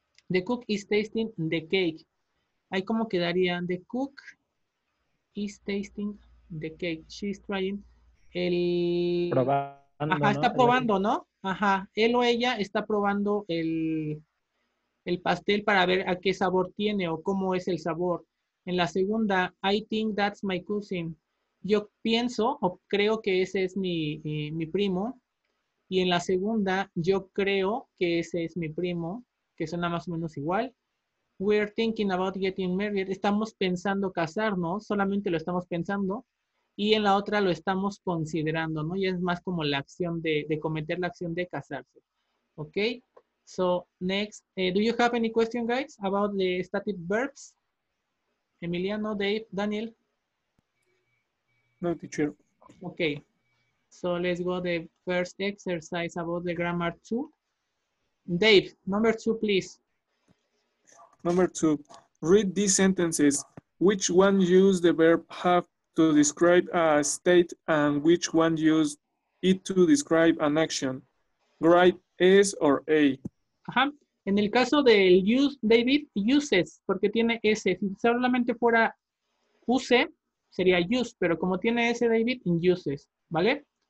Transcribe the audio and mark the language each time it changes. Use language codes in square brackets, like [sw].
[en] The cook is tasting the cake. [es] Ahí como quedaría, [en] the cook is tasting the cake. She's trying [es] probando, ajá, ¿no? Está probando, ¿no? Ajá, él o ella está probando el pastel para ver a qué sabor tiene o cómo es el sabor. En la segunda, [en] I think that's my cousin. [es] Yo pienso o creo que ese es mi primo. Y en la segunda, yo creo que ese es mi primo. Que suena más o menos igual. [en] We're thinking about getting married. [es] Estamos pensando casarnos, solamente lo estamos pensando. Y en la otra lo estamos considerando, ¿no? Y es más como la acción de cometer la acción de casarse. [en] Ok. So, next. Do you have any question, guys, about the stative verbs? Emiliano, Dave, Daniel. No, teacher. Ok. So, let's go to the first exercise about the grammar 2. Dave, number 2, please. Number 2. Read these sentences. Which one use the verb have to describe a state and which one use it to describe an action? Write S or A. [es] Ajá. En el caso del use, David, uses, porque tiene S. Si solamente fuera use, sería use, pero como tiene S, David, uses, ¿vale?